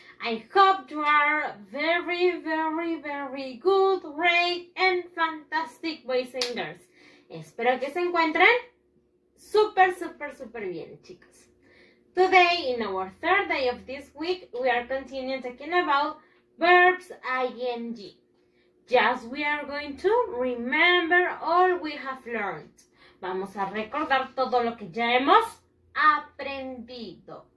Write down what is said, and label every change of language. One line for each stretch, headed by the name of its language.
English: I hope you are very, very, very good, great, and fantastic, boys and girls.
Spanish: Espero que se encuentren super, super, super bien, chicos.
English: Today, in our third day of this week, we are continuing talking about verbs ing. Just we are going to remember all we have learned.
Spanish: Vamos a recordar todo lo que ya hemos aprendido.